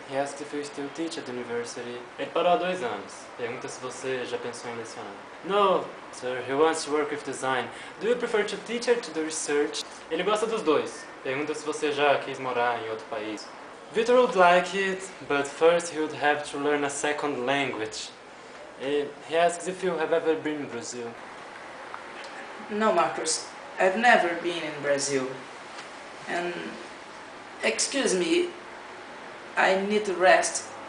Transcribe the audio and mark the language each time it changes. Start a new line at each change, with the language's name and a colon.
English: He asked if you still teach at the university.
Portuguese: Ele parou há 2 anos. Pergunta se você já pensou em lecionar.
English: No, sir. He wants to work with design. Do you prefer to teach or to do research?
Portuguese: Ele gosta dos dois. Pergunta se você já quis morar em outro país.
English: Victor would like it, but first he would have to learn a second language. He asks if you have ever been in Brazil. No, Marcos. I've never been in Brazil. And excuse me, I need to rest.